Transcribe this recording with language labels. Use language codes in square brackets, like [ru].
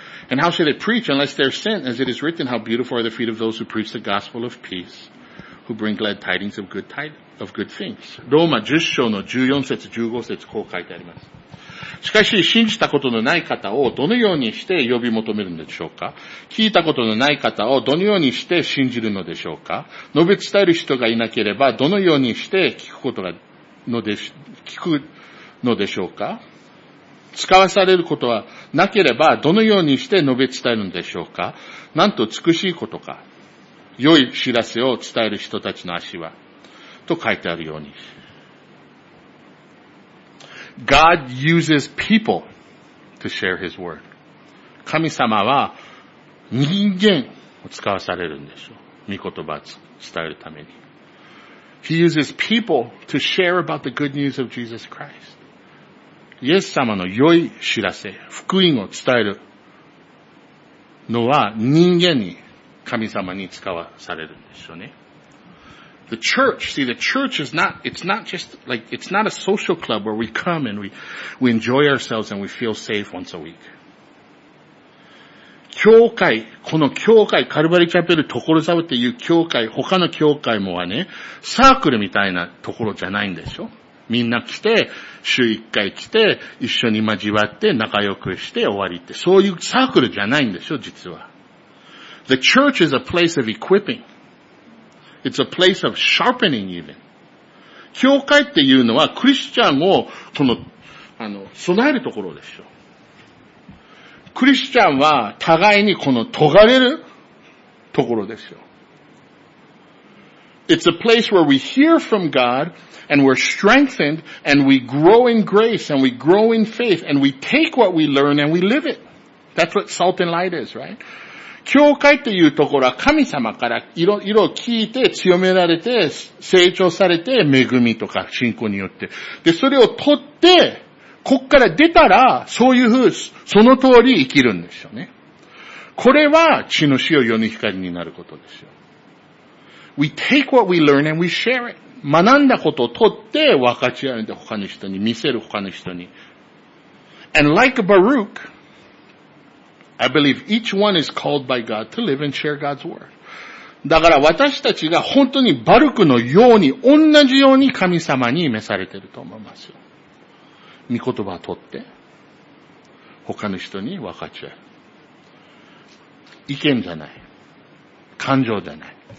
[en] And how shall they preach unless they're sent? As it is written, how beautiful are the feet of those who preach the gospel of peace, who bring glad tidings of good things. [ja] Roma 10章の14節15節こう書いてあります。しかし信じたことのない方をどのようにして呼び求めるのでしょうか？聞いたことのない方をどのようにして信じるのでしょうか？述べ伝える人がいなければどのようにして聞くのでしょうか？使わされることはなければどのようにして述べ伝えるのでしょうか？なんと美しいことか。良い知らせを伝える人たちの足は。と書いてあるように。 [en] God uses people to share his word. [ja] 神様は人間を使わされるんでしょう。御言葉を伝えるために。 [en] He uses people to share about the good news of Jesus Christ. [ja] イエス様の良い知らせ、福音を伝えるのは人間に、神様に使わされるんでしょうね。 [en] The church, see, the church is not, it's not just like, it's not a social club where we come and we enjoy ourselves and we feel safe once a week. [ja] 教会、この教会、カルバリチャペル、所沢っていう教会、他の教会もはね、サークルみたいなところじゃないんでしょ？みんな来て、週一回来て、一緒に交わって、仲良くして終わりって、そういうサークルじゃないんでしょ、実は。 [en] The church is a place of equipping. It's a place of sharpening even. [ja] 教会っていうのはクリスチャンをこの、備えるところでしょ。クリスチャンは互いにこの尖れるところでしょ。 [en] It's a place where we hear from God and we're strengthened and we grow in grace and we grow in faith and we take what we learn and we live it. That's what salt and light is, right? [ja] 教会っていうところは神様からいろ聞いて強められて成長されて恵みとか信仰によって。で、それを取って、こっから出たらそういうふう、その通り生きるんですよね。これは血の塩世の光になることですよ。 [en] We take what we learn and we share it. [ja] 学んだことを取って分かち合うんで他の人に、見せる他の人に。 [en] And like Baruch,I believe each one is called by God to live and share God's word. [ja] だから私たちが本当にバルクのように同じように神様に召されていると思いますよ。御言葉を取って他の人に分かち合う。意見じゃない。感情じゃない。